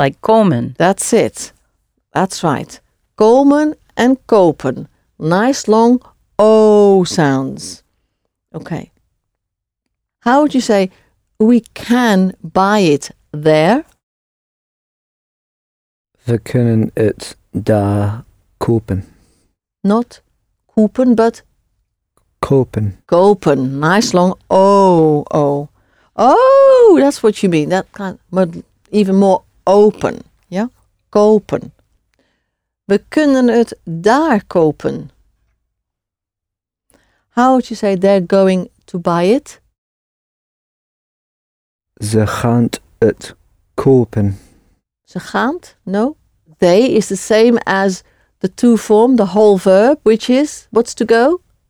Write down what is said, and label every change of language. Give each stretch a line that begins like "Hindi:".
English: Like komen. That's it. That's right. Komen and kopen. Nice long O sounds. Okay. How would you say we can buy it there?
Dutch: We kunnen het daar kopen.
English: Not kopen, but
Dutch: kopen.
English: Kopen. Nice long O. Oh, that's what you mean. That kind, but even more open. Yeah? Kopen.
Dutch: We kunnen het daar kopen.
English: How would you say they're going to buy it?
Dutch: Ze gaan het kopen. Ze gaan? No.
English: They is the same as the to form, the whole verb, which is, what's to go?